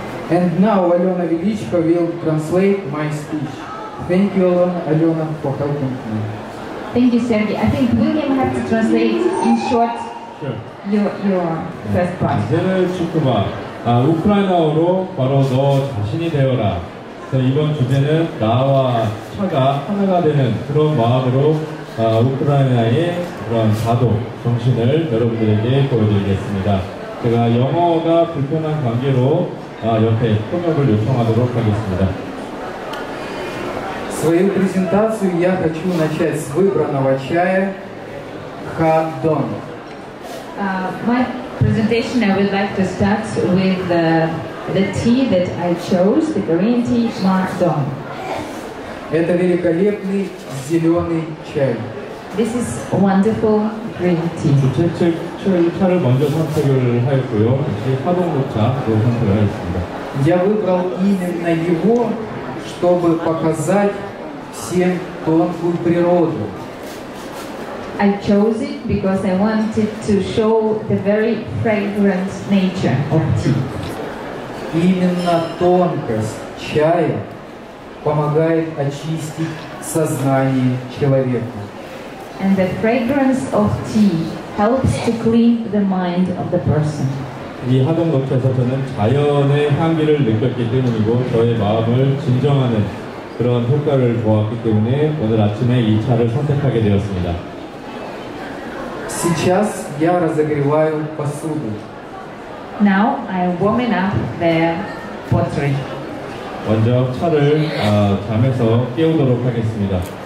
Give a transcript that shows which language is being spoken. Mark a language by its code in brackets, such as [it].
[en] And now Alena Velichko will translate my speech. Thank you, Alena, for helping me. Thank you, Sergey. I think William has to translate in short your first part. Украина уро, пароно, чашини деора. [ko] 이번 주제는 나와 차가 하나가 되는 그런 마음으로 우크라이나의 그런 자도 정신을 여러분들에게 보여드리겠습니다. 제가 영어가 불편한 관계로 옆에 통역을 요청하도록 하겠습니다. [ru] Свою презентацию я хочу начать с выбранного чая Хадон. [en] My presentation I would like to start with the tea that I chose, the green tea, Mahdong. [ru] Это великолепный зеленый чай. [en] This is wonderful green tea. [ko] 제 차를 먼저 선택을 하였고요. 이제 화동녹차도 선택을 하였습니다. [ru] Я выбрал именно его, чтобы показать всем тонкую природу. [en] I chose it because I wanted to show the very fragrant nature of tea. [ru] Именно тонкость чая помогает очистить сознание человека. [en] And the fragrance of tea helps to clean the mind of the person. [ko] 이 화동녹차에서 저는 자연의 향기를 느꼈기 때문이고 저의 마음을 진정하는 그런 효과를 보았기 때문에 오늘 아침에 이 차를 선택하게 되었습니다. [ru] Сейчас я разогреваю посуду. [en] Now I am warming up the pottery. [ko] 먼저 차를 잠에서 깨우도록 하겠습니다.